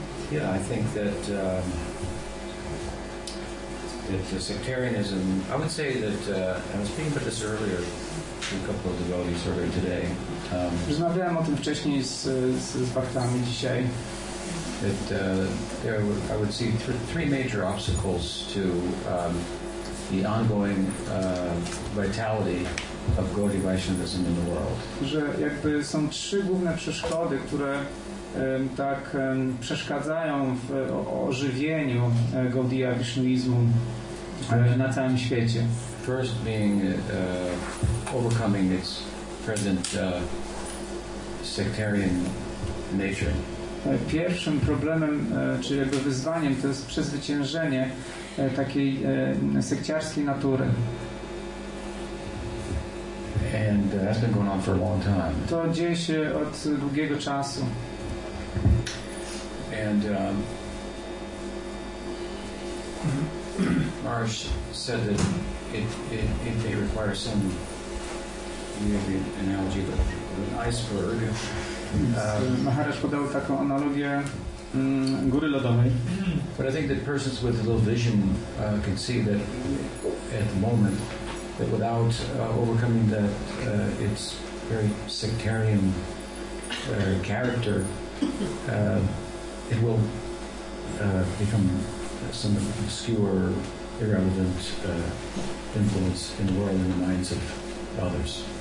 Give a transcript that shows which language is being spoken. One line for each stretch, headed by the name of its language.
English: Yeah, I think that the sectarianism, I would say that, I was speaking about this earlier, a couple of devotees earlier today.
Polish: Rozmawiałem o tym wcześniej z bhaktami dzisiaj.
English: That there were, I would see three major obstacles to the ongoing vitality of Gaudiya Vaishnavism in the world.
Polish: Że jakby są trzy główne przeszkody, które tak przeszkadzają w ożywieniu Gaudiya Vaishnavismu na całym świecie.
English: First being overcoming its present sectarian nature.
Polish: Pierwszym problemem, czy jakby wyzwaniem, to jest przezwyciężenie takiej sekciarskiej natury.
English: And that's been going on for a long time.
Polish: To dzieje się od długiego czasu.
English: And Marsh said that it may require some, maybe an analogy, but an iceberg.
Polish: Maharaj podał taką analogię góry lodowej.
English: But I think that persons with a little vision can see that at the moment that without overcoming that its very sectarian character it will become some obscure, irrelevant influence in the world and the minds of others.